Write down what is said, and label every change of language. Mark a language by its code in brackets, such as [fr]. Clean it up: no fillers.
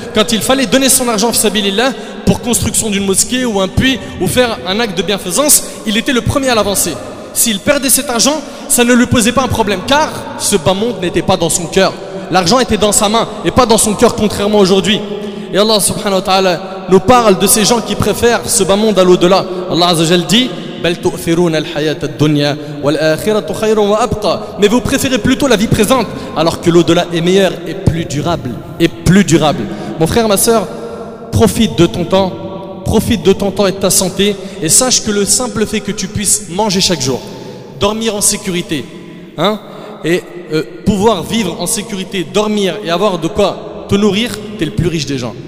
[fr] Quand il fallait donner son argent [ar] fi sabilillah [fr] pour construction d'une mosquée ou un puits ou faire un acte de bienfaisance, il était le premier à l'avancer. S'il perdait cet argent, ça ne lui posait pas un problème, car ce bas monde n'était pas dans son cœur. L'argent était dans sa main et pas dans son cœur, contrairement aujourd'hui. Et Allah [ar] subhanahu wa ta'ala [fr] nous parle de ces gens qui préfèrent ce bas monde à l'au-delà. [ar] Allah azza wa jalla [fr] dit, [ar] بل تؤثرون الحياة الدنيا والآخرة خير وأبقى. [fr] Mais vous préférez plutôt la vie présente, alors que l'au-delà est meilleur et plus durable. Et plus durable. Mon frère, ma sœur, profite de ton temps. Profite de ton temps et de ta santé. Et sache que le simple fait que tu puisses manger chaque jour, dormir en sécurité, hein, et pouvoir vivre en sécurité, dormir et avoir de quoi te nourrir, t'es le plus riche des gens.